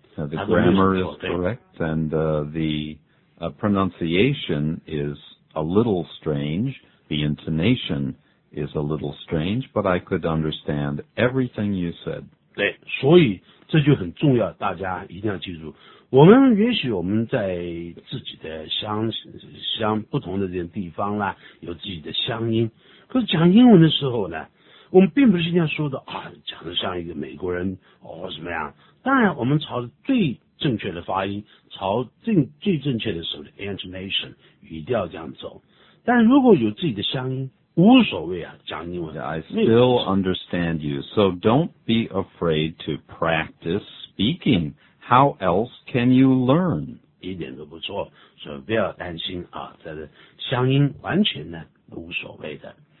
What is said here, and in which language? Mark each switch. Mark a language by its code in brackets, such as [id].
[en] The grammar is correct, and the pronunciation is a little strange, the intonation is a little strange, but I could understand everything you said. [zh] 对，所以这就很重要，大家一定要记住。我们也许我们在自己的乡不同的这些地方啦，有自己的乡音。可是讲英文的时候呢，我们并不是一定要说的啊，讲的像一个美国人哦什么样。当然，我们朝最正确的发音，朝最正确的所谓的 intonation 语调这样走。但如果有自己的乡音。无所谓啊，讲英文。 [en] Yeah, I still understand you, so don't be afraid to practice speaking. How else can you learn? [zh] 一点都不错，所以不要担心啊，这个乡音完全呢无所谓的。